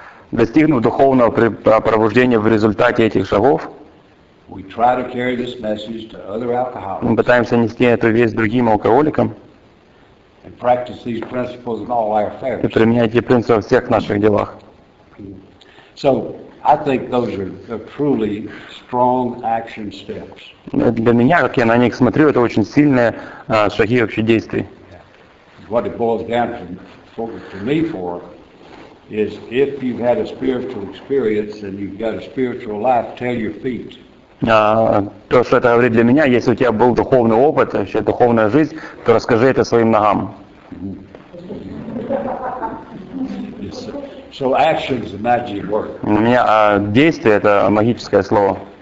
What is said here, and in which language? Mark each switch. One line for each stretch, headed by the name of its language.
Russian: Достигнув духовного пробуждения в результате этих шагов,
English: we try to carry this message to other alcoholics.
Russian: Мы пытаемся нести эту весть другим алкоголикам.
English: And practice these principles in all our affairs.
Russian: И применять эти принципы во всех наших делах.
English: So, I think those are truly strong action steps.
Russian: Для меня, как я на них смотрю, это очень сильные шаги вообще действий.
English: What it boils down to me for is if you've had a spiritual experience and you've got a spiritual life, tell your feet.
Russian: То, что это говорит для меня, если у тебя был духовный опыт, вообще духовная жизнь, то расскажи это своим ногам.
English: So action is a magic word.
Russian: У меня действие это магическое слово.